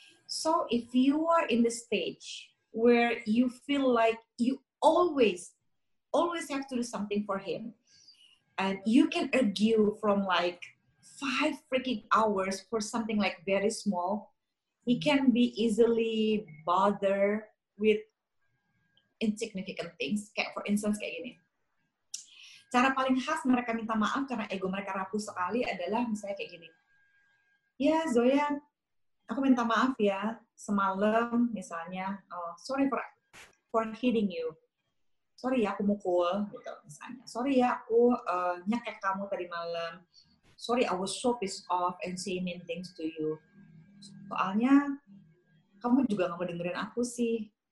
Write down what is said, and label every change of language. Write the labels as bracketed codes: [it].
[en] So if you are in the stage where you feel like you always have to do something for him, and you can argue from like 5 freaking hours for something like very small, he can be easily bothered with insignificant things. [id] Kayak for instance kayak gini. Cara paling khas mereka minta maaf karena ego mereka rapuh sekali adalah misalnya kayak gini. Ya, Zoya, aku minta maaf ya semalam misalnya. [en] Oh, sorry for hitting you. [id] Sorry ya aku mukul gitu misalnya. Sorry ya aku nyekek kamu tadi malam. [en] Sorry I was so pissed off and saying mean things to you. [id] Soalnya kamu juga gak mau dengerin aku sih.